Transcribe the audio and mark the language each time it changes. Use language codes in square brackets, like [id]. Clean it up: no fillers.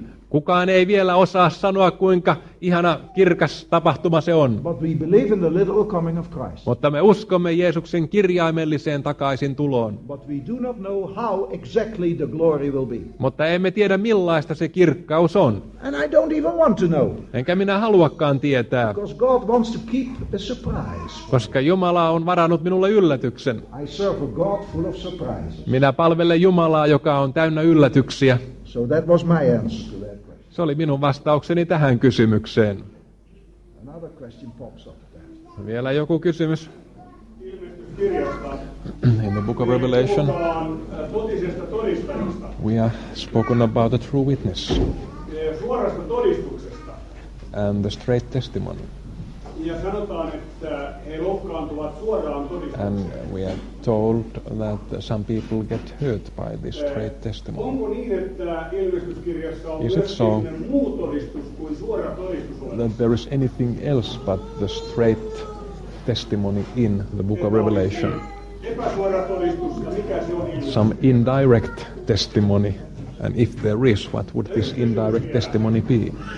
[fi] Kukaan ei vielä osaa sanoa, kuinka ihana kirkas tapahtuma se on. [en] But we believe in the literal coming of Christ. [fi] Mutta me uskomme Jeesuksen kirjaimelliseen takaisin tuloon. [en] But we do not know how exactly the glory will be. [fi] Mutta emme tiedä, millaista se kirkkaus on. [en] And I don't even want to know. [fi] Enkä minä haluakaan tietää. [en] Because God wants to keep a surprise. [fi] Koska Jumala on varannut minulle yllätyksen. [en] I serve a God full of surprises. [fi] Minä palvelen Jumalaa, joka on täynnä yllätyksiä. [en] So that was my answer. [fi] Se oli minun vastaukseni tähän kysymykseen. [en] Another question pops up there. [fi] Vielä joku kysymys. Ilmestyskirjasta. [en] In the book of Revelation. [fi] Totisesta todistajasta. [en] We are spoken about a true witness. [fi] Suorasta todistuksesta. [en] And the straight testimony. [fi] Ja sanotaan, että he loukkaantuvat suoraan todistukseen. [en] And we are told that some people get hurt by this straight testimony. [fi] Onko niin, että ilmestyskirjassa on [en] so [fi] muu todistus kuin suora todistus? [en] That there is anything else but the straight testimony in the book of Revelation. [fi] Epäsuora todistus, ja mikä se on? [en] Some indirect testimony. And if there is, what would this indirect testimony be?